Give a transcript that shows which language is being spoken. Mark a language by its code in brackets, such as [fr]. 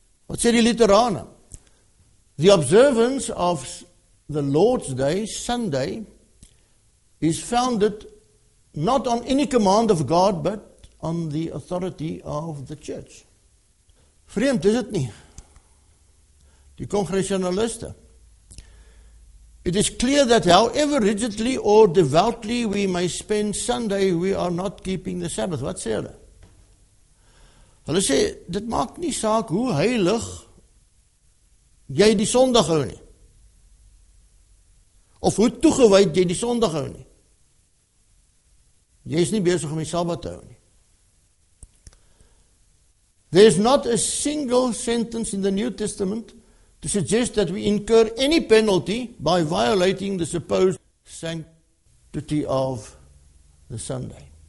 [af] Wat sê die Lutherane? [en] The observance of the Lord's Day, Sunday, is founded not on any command of God, but on the authority of the church. [af] Vreemd is het nie. [en] Die Congregationaliste. It is clear that however rigidly or devoutly we may spend Sunday, we are not keeping the Sabbath. [af] Wat sê hulle? Hulle sê, dit maak nie saak hoe heilig jy die Sondag hou nie. Of hoe toegewyd jy die Sondag hou nie. Jy is nie besig om die Sabbat te hou nie. [en] There is not a single sentence in the New Testament to suggest that we incur any penalty by violating the supposed sanctity of the Sunday.